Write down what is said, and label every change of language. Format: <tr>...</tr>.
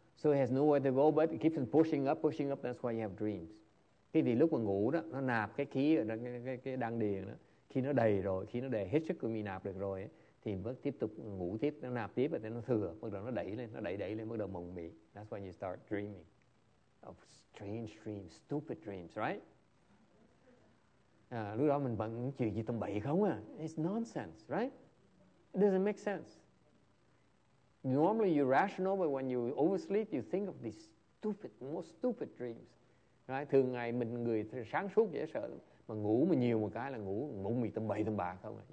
<en>So it has nowhere to go, but it keeps pushing up. That's why you have dreams.</en> <vi>Cái vì lúc mà ngủ đó, nó nạp cái khí, cái đăng điền đó. Khi nó đầy hết sức của mình nạp được rồi ấy, thì vẫn tiếp tục ngủ tiếp, nó nạp tiếp và nó thừa, bắt đầu nó đẩy lên, bắt đầu mộng mị.</vi> <en>That's when you start dreaming of strange dreams, stupid dreams, right?</en> <vi>Lúc đó mình bận chuyện gì tầm bậy không à?</vi> <en>It's nonsense, right? It doesn't make sense. Normally you're rational, but when you oversleep, you think of these stupid, most stupid dreams, right?</en> <vi>Thường ngày mình người sáng suốt dễ sợ, mà ngủ mà nhiều một cái là ngủ mộng mị tầm bậy tầm bạ không à?</vi>